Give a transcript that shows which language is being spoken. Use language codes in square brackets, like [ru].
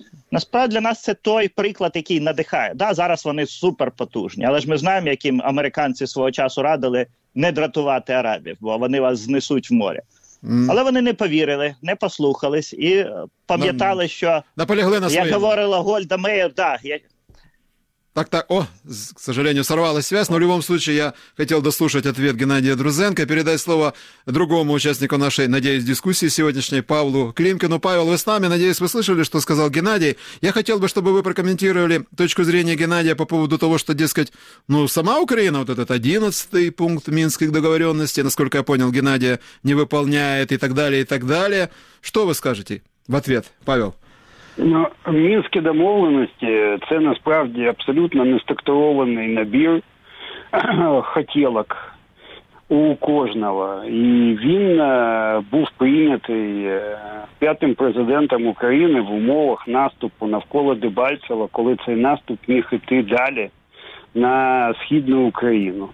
[uk] Насправді для нас це той приклад, який надихає. Да, зараз вони суперпотужні, але ж ми знаємо, яким американці свого часу радили не дратувати арабів, бо вони вас знесуть в море. Але вони не повірили, не послухались і пам'ятали, що... Наполягли на своєму. Як говорила Гольда Мейер, так. Да, [ru] О, к сожалению, сорвалась связь, но в любом случае я хотел дослушать ответ Геннадия Друзенко и передать слово другому участнику нашей, надеюсь, дискуссии сегодняшней, Павлу Климкину. Павел, вы с нами, надеюсь, вы слышали, что сказал Геннадий. Я хотел бы, чтобы вы прокомментировали точку зрения Геннадия по поводу того, что, дескать, ну, сама Украина, вот этот 11-й пункт Минских договоренностей, насколько я понял, Геннадия не выполняет и так далее, и так далее. Что вы скажете в ответ, Павел? [uk] Ну, Мінські домовленості – це насправді абсолютно неструктурований набір хотілок у кожного. І він був прийнятий п'ятим президентом України в умовах наступу навколо Дебальцева, коли цей наступ міг іти далі на Східну Україну.